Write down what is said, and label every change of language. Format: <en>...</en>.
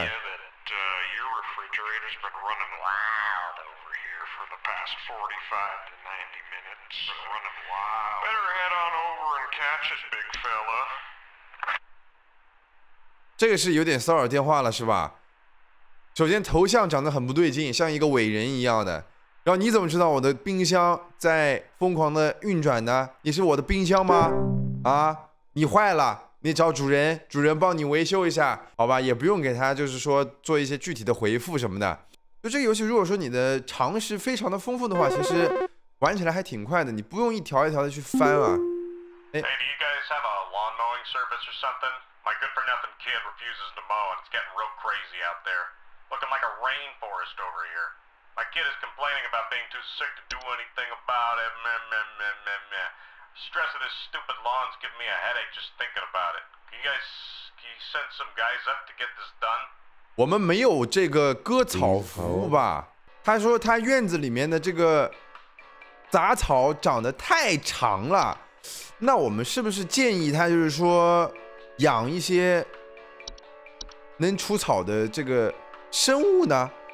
<en>inform you that your refrigerator's been running wild over here for the past 45 to 90 minutes. Been running wild. Better head on over and catch it, big fella.</en> <zh>这个是有点骚扰电话了，是吧？首先头像长得很不对劲，像一个伟人一样的。然后你怎么知道我的冰箱在疯狂的运转呢？你是我的冰箱吗？啊，你坏了，你找主人，主人帮你维修一下，好吧，也不用给他，就是说做一些具体的回复什么的。就这个游戏，如果说你的常识非常的丰富的话，其实玩起来还挺快的，你不用一条一条的去翻啊。哎，</zh> <en>Hey, do you guys have a lawn mowing service or something? My good for nothing kid refuses to mow, and it's getting real crazy out there, looking like a rainforest over here. My kid is complaining about being too sick to do anything about it. Meh, meh, meh, meh, meh. Stress of this stupid lawn's giving me a headache just thinking about it. Can you send some guys up to get this done?</en> <zh>我们没有这个割草服务吧？他说他院子里面的这个杂草长得太长了，那我们是不是建议他就是说养一些能除草的这个生物呢？</zh>